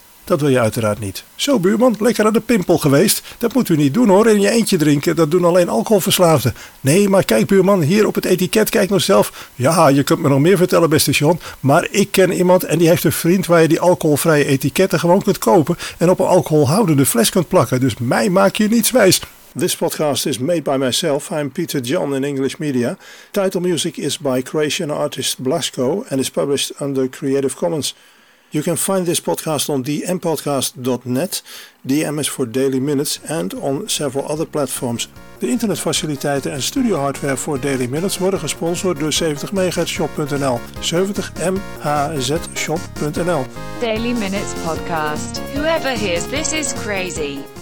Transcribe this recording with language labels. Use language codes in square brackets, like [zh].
[nl] Dat wil je uiteraard niet. Zo buurman, lekker aan de pimpel geweest. Dat moet u niet doen hoor, in je eentje drinken. Dat doen alleen alcoholverslaafden. Nee, maar kijk buurman, hier op het etiket kijk nog zelf. Ja, je kunt me nog meer vertellen beste John. Maar ik ken iemand en die heeft een vriend waar je die alcoholvrije etiketten gewoon kunt kopen en op een alcoholhoudende fles kunt plakken. Dus mij maak je niets wijs. [en] This podcast is made by myself. I'm Peter John in English Media. Title music is by Croatian artist Blasco and is published under Creative Commons. You can find this podcast on dmpodcast.net, DM is for Daily Minutes, and on several other platforms. [nl] De internetfaciliteiten en studio hardware voor Daily Minutes worden gesponsord door 70MHzShop.nl. 70MHzShop.nl. [en] Daily Minutes Podcast. Whoever hears this is crazy.